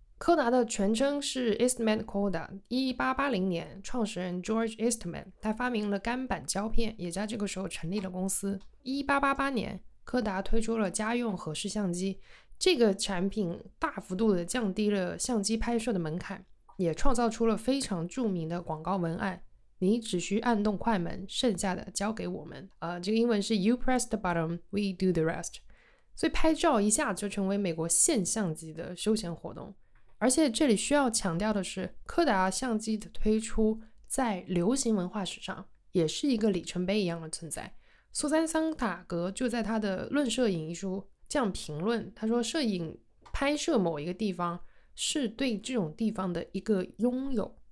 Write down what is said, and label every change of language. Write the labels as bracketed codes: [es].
[zh] 柯达的全称是 Eastman Kodak， 1880年创始人 George Eastman 他发明了干板胶片，也在这个时候成立了公司。 1888年柯达推出了家用合适相机，这个产品大幅度的降低了相机拍摄的门槛，也创造出了非常著名的广告文案，你只需按动快门，剩下的交给我们。这个英文是 [en] You press the button, we do the rest。 [zh] 所以拍照一下就成为美国现象级的休闲活动。而且这里需要强调的是，柯达相机的推出在流行文化史上也是一个里程碑一样的存在。苏珊·桑塔格就在他的《论摄影》一书这样评论，他说摄影拍摄某一个地方是对这种地方的一个拥有。